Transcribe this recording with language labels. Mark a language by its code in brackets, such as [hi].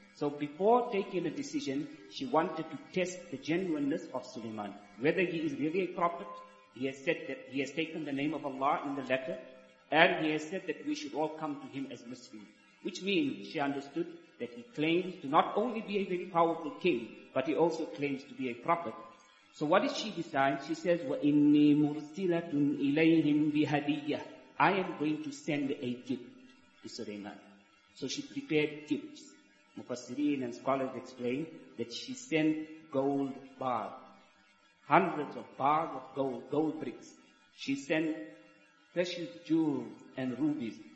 [en] So before taking a decision, she wanted to test the genuineness of Sulaiman, whether he is really a prophet. He has said that he has taken the name of Allah in the letter, and he has said that we should all come to him as Muslims, which means she understood that he claims to not only be a very powerful king, but he also claims to be a prophet. So what did she decide? She says, [ar] وَإِنِّي مُرْسِلَةٌ إِلَيْهِمْ بِهَدِيَّةٍ. [en] I am going to send a gift to Sulaiman. So she prepared gifts. Mufassirin and scholars explain that she sent gold bars, hundreds of bars of gold, gold bricks. She sent precious jewels and rubies.